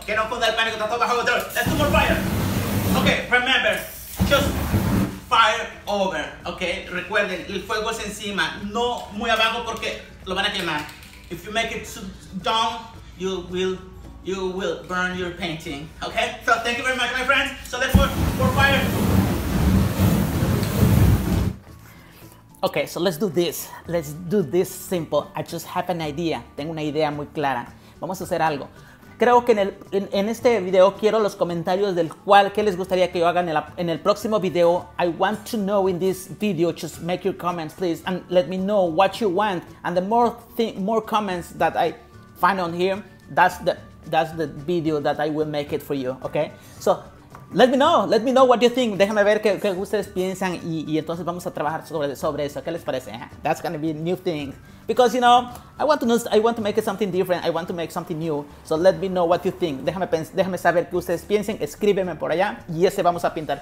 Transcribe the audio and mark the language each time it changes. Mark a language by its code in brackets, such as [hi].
[es] Que no funda el pánico, está todo bajo control. [en] Let's do more fire! Okay, remember, just fire over, okay? [es] Recuerden, el fuego es encima, no muy abajo porque lo van a quemar. [en] If you make it too down, you will burn your painting, okay? So thank you very much, my friends. So let's put more fire. Okay, so let's do this. Let's do this simple. I just have an idea. [es] Tengo una idea muy clara. Vamos a hacer algo. Creo que en este video quiero los comentarios del cual, qué les gustaría que yo haga en el próximo video. [en] I want to know in this video, just make your comments, please, and let me know what you want. And the more more comments that I find on here, that's the video that I will make it for you, okay? So, let me know what you think. [es] Déjame ver qué ustedes piensan y entonces vamos a trabajar sobre eso. ¿Qué les parece? [en] That's gonna be a new thing. Because, you know, I want to make it something different. I want to make something new. So let me know what you think. [es] Déjame saber qué ustedes piensan. Escríbeme por allá y ese vamos a pintar.